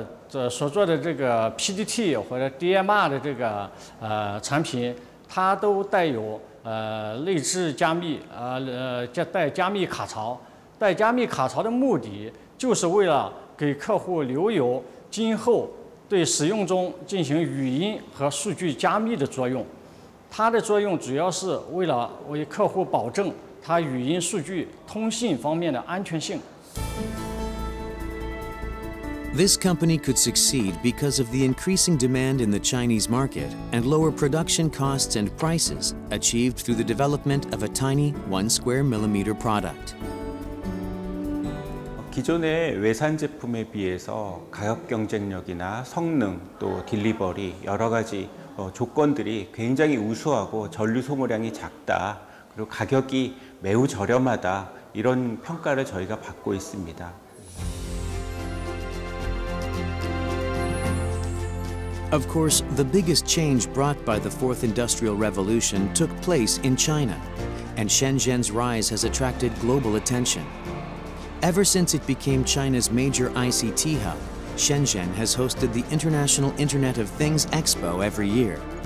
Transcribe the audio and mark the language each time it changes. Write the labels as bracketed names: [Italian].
[Chinese] 我们所做的这个 PDT 或者 DMR 的这个产品，它都带有内置加密，带加密卡槽。带加密卡槽的目的就是为了给客户留有今后对使用中进行语音和数据加密的作用。它的作用主要是为了为客户保证它语音数据通信方面的安全性。 [English] This company could succeed because of the increasing demand in the Chinese market and lower production costs and prices achieved through the development of a tiny 1 square millimeter product. [Korean] 기존의 외산 제품에 비해서 가격 경쟁력이나 성능 또 딜리버리 여러 가지 조건들이 굉장히 우수하고 전류 소모량이 작다 그리고 가격이 매우 저렴하다 이런 평가를 저희가 받고 있습니다. [English] Of course, the biggest change brought by the Fourth Industrial Revolution took place in China, and Shenzhen's rise has attracted global attention. Ever since it became China's major ICT hub, Shenzhen has hosted the International Internet of Things Expo every year.